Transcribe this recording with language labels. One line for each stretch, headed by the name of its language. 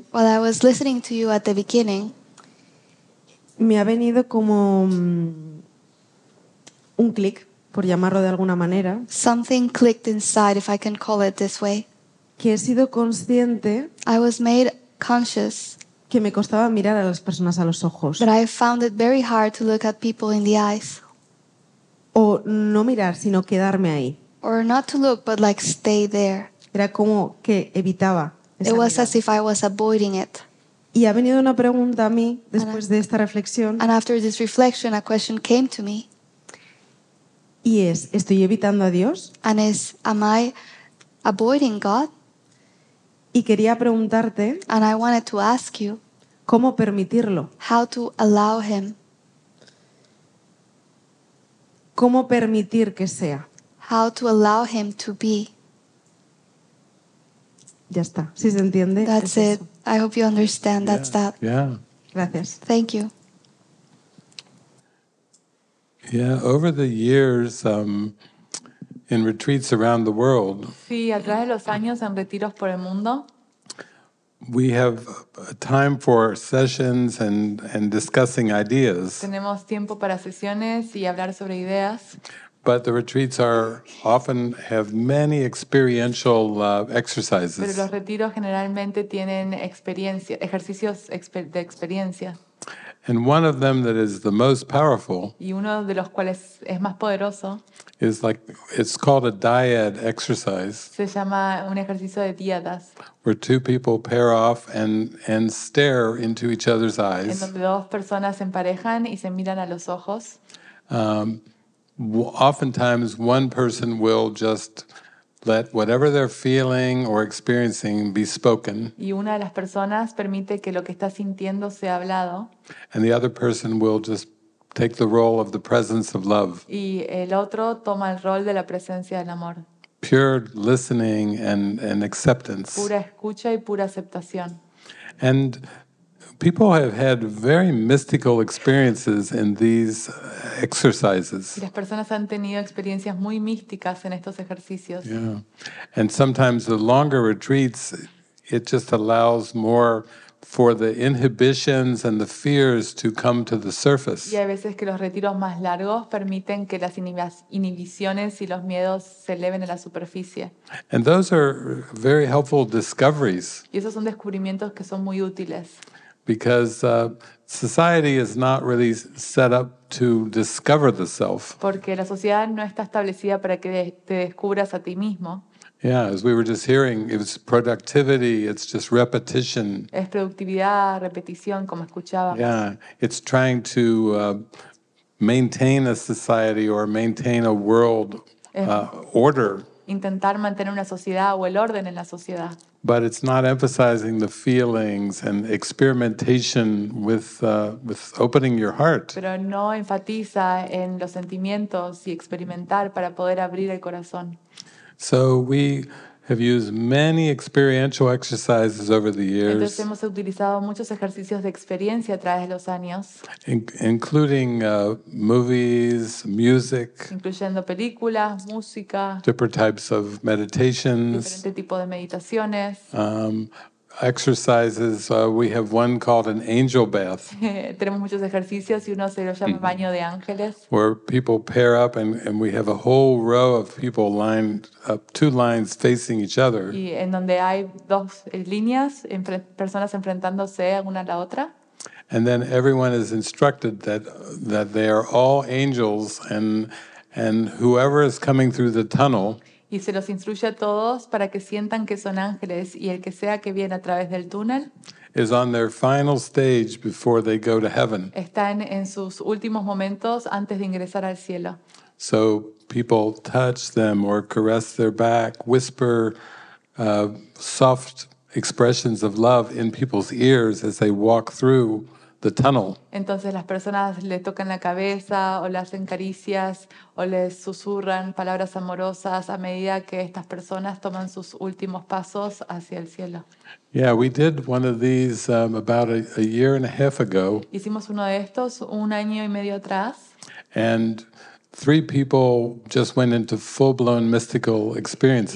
English: while I was listening to you at the beginning,
Spanish: me ha venido como un clic, por llamarlo de alguna manera.
English: Something clicked inside, if I can call it this way.
Spanish: Que he sido consciente.
English: I was made conscious.
Spanish: Que me costaba mirar a las personas a los ojos.
English: But I found it very hard to look at people in the eyes.
Spanish: O no mirar, sino quedarme ahí.
English: Or not to look, but like stay there.
Spanish: Era como que evitaba esa
English: It was
Spanish: mirada.
English: As if I was avoiding it.
Spanish: Y ha venido una pregunta a mí después de esta reflexión.
English: And after this reflection, a question came to me.
Spanish: Y es, ¿estoy evitando a Dios?
English: And is, am I avoiding God?
Spanish: Y quería preguntarte.
English: And I wanted to ask you.
Spanish: ¿Cómo permitirlo?
English: How to allow him.
Spanish: ¿Cómo permitir que sea?
English: How to allow him to be.
Spanish: Ya está. ¿Sí se entiende?
English: That's es it.
Spanish: Eso.
English: I hope you understand. That's yeah. that. Yeah.
Spanish: Gracias.
English: Thank you. Yeah, over the years in retreats around the world.
Spanish: Sí, a través de los años en retiros por el mundo.
English: We have time for sessions and discussing ideas.
Spanish: Tenemos tiempo para sesiones y hablar sobre ideas.
English: But the retreats often have many experiential exercises.
Spanish: Pero los retiros generalmente tienen experiencia, ejercicios de experiencia.
English: And one of them that is the most powerful.
Spanish: Y uno de los cuales es más poderoso.
English: Is like it's called a dyad exercise.
Spanish: Se llama un ejercicio de dyadas.
English: Where two people pair off and stare into each other's eyes.
Spanish: En donde dos personas se emparejan y se miran a los ojos.
English: Oftentimes, one person will just let whatever they're feeling or experiencing be spoken.
Spanish: Y una de las personas permite que lo que está sintiendo sea hablado.
English: And the other person will just take the role of the presence of love.
Spanish: Y el otro toma el rol de la presencia del amor.
English: Pure listening and acceptance.
Spanish: Pura escucha y pura aceptación.
English: And people have had very mystical experiences in these exercises.
Spanish: Las personas han tenido experiencias muy místicas en estos ejercicios.
English: Yeah. And sometimes the longer retreats, it just allows more for the inhibitions and the fears to come to the surface.
Spanish: Y hay veces que los retiros más largos permiten que las inhibiciones y los miedos se eleven a la superficie.
English: And those are very helpful discoveries.
Spanish: Y esos son descubrimientos que son muy útiles.
English: Because society is not really set up to discover the self.
Spanish: Porque la sociedad no está establecida para que te descubras a ti mismo.
English: Yeah, as we were just hearing, it's productivity, it's just repetition.
Spanish: Es productividad, repetición, como escuchábamos.
English: Yeah, it's trying to maintain a society or maintain a world order.
Spanish: Intentar mantener una sociedad o el orden en la sociedad.
English: But it's not emphasizing the feelings and experimentation with opening your heart.
Spanish: Pero no enfatiza en los sentimientos y experimentar para poder abrir el corazón.
English: So we have used many experiential exercises over the years.
Spanish: Entonces hemos utilizado muchos ejercicios de experiencia a través de los años.
English: Including movies, music.
Spanish: Incluyendo películas, música.
English: Different types of meditations.
Spanish: Diferente tipo de meditaciones.
English: Exercises. We have one called an angel bath.
Spanish: Tenemos muchos ejercicios y uno se lo llama baño de ángeles.
English: Where people pair up and we have a whole row of people lined up, two lines facing each other.
Spanish: Y en donde hay dos líneas, personas enfrentándose una a la otra.
English: And then everyone is instructed that they are all angels and whoever is coming through the tunnel.
Spanish: y se los instruye a todos para que sientan que son ángeles y el que sea que viene a través del túnel
English: is on their final stage before they go to heaven.
Spanish: Están en sus últimos momentos antes de ingresar al cielo.
English: So people touch them or caress their back, whisper soft expressions of love in people's ears as they walk through the tunnel.
Spanish: Entonces las personas le tocan la cabeza o le hacen caricias o les susurran palabras amorosas a medida que estas personas toman sus últimos pasos hacia el cielo.
English: Yeah, we did one of these about a year and a half ago.
Spanish: Hicimos uno de estos un año y medio atrás.
English: And three people just went into full-blown mystical experiences.